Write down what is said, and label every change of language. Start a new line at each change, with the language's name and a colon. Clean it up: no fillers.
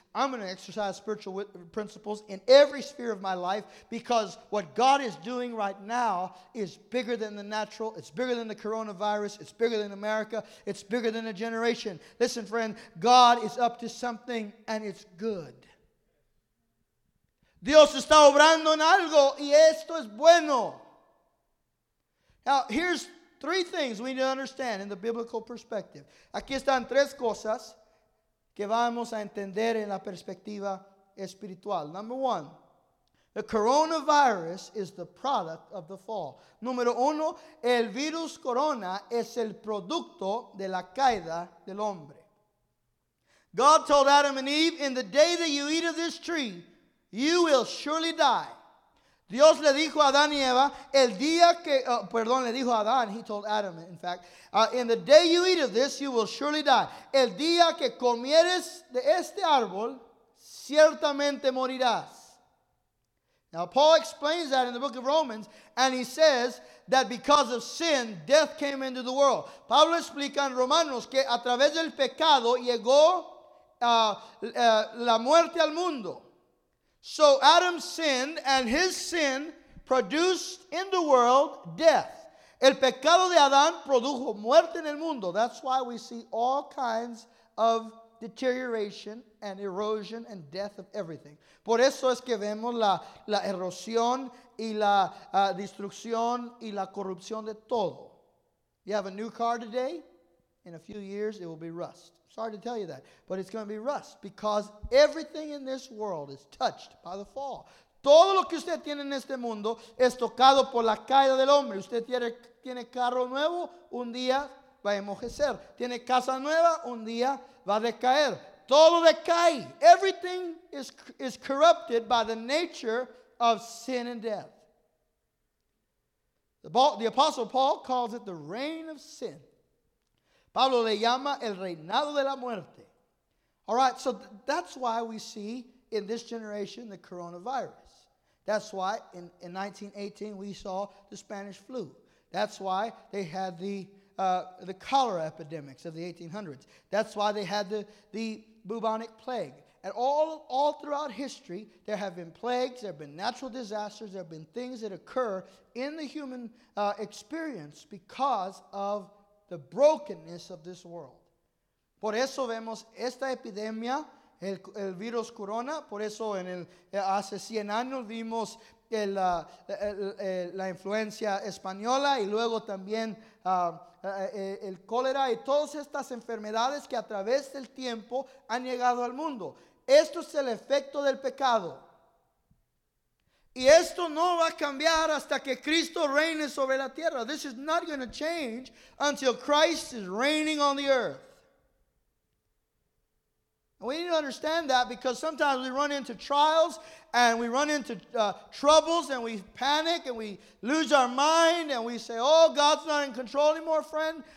English: I'm going to exercise spiritual principles in every sphere of my life because what God is doing right now is bigger than the natural. It's bigger than the coronavirus. It's bigger than America. It's bigger than a generation. Listen, friend, God is up to something, and it's good.
Spanish: Dios está obrando en algo, y esto es bueno.
English: Now, here's three things we need to understand in the biblical perspective.
Spanish: Aquí están tres cosas que vamos a entender en la perspectiva espiritual.
English: Number one, the coronavirus is the product of the fall.
Spanish: Número uno, el virus corona es el producto de la caída del hombre.
English: God told Adam and Eve, in the day that you eat of this tree, you will surely die.
Spanish: Dios le dijo a Adán
English: y Eva, el día que, le dijo a Adán, he told Adam, in fact, in the day you eat of this, you will surely die.
Spanish: El día que comieres de este árbol, ciertamente morirás.
English: Now, Paul explains that in the book of Romans, and he says that because of sin, death came into the world.
Spanish: Pablo explica en Romanos que a través del pecado llegó la muerte al mundo.
English: So Adam sinned, and his sin produced in the world death.
Spanish: El pecado de Adán produjo muerte en el mundo.
English: That's why we see all kinds of deterioration and erosion and death of everything.
Spanish: Por eso es que vemos la erosión y la destrucción y la corrupción de todo.
English: You have a new car today? In a few years, it will be rust. Sorry to tell you that, but it's going to be rust because everything in this world is touched by the fall.
Spanish: Todo lo que usted tiene en este mundo es tocado por la caída del hombre. Usted tiene carro nuevo, un día va a enmojecer. Tiene casa nueva, un día va a decaer. Todo decae.
English: Everything is corrupted by the nature of sin and death. The Apostle Paul calls it the reign of sin.
Spanish: Pablo le llama el reinado de la muerte.
English: All right, so that's why we see in this generation the coronavirus. That's why in 1918 we saw the Spanish flu. That's why they had the cholera epidemics of the 1800s. That's why they had the bubonic plague. And all throughout history, there have been plagues, there have been natural disasters, there have been things that occur in the human experience because of the brokenness of this world.
Spanish: Por eso vemos esta epidemia, el virus corona. Por eso en el hace 100 años vimos la influencia española y luego también el cólera y todas estas enfermedades que a través del tiempo han llegado al mundo. Esto es el efecto del pecado. Y esto no va a cambiar hasta que Cristo reine sobre la tierra.
English: This is not going to change until Christ is reigning on the earth. And we need to understand that because sometimes we run into trials and we run into troubles and we panic and we lose our mind and we say, oh, God's not in control anymore, friend.